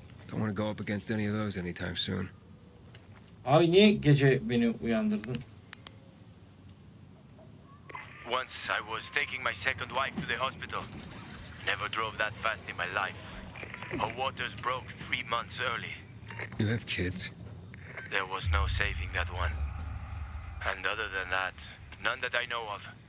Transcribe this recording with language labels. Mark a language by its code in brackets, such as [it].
[en] Don't want to go up against any of those anytime soon. [tr] Abi niye gece beni uyandırdın? [en] Once I was taking my second wife to the hospital. Never drove that fast in my life. Her waters broke 3 months early. You have kids? There was no saving that one. And other than that, none that I know of.